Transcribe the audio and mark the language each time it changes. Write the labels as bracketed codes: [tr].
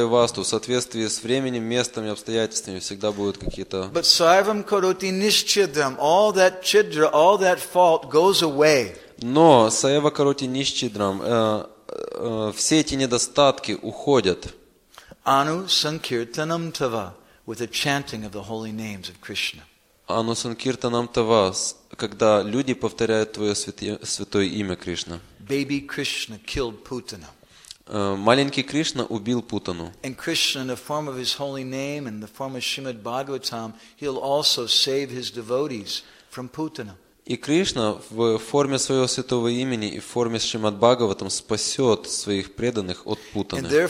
[ru] и васту, в соответствии с временем, местом и обстоятельствами, всегда будут какие-то... [en] But [sa] sarvam karoti nishchidram, [en] all that chidra, all that fault goes away. [ru] Но [sa] саева короти нищидрам, [ru] все эти недостатки уходят. [sa] Anu sankirtanam tava, [en] with a chanting of the holy names of Krishna. [sa] Anu sankirtanam tava, [ru] когда люди повторяют твое святое имя Кришна. [en] Baby Krishna killed Putana. [ru] Маленький Кришна убил Путану. [en] And Krishna, in the form of his holy name and the form of Srimad Bhagavatam, he'll also save his devotees from Putana. [ru] И Кришна в форме своего святого имени и в форме Шримад Бхагаватам спасет своих преданных от путаны.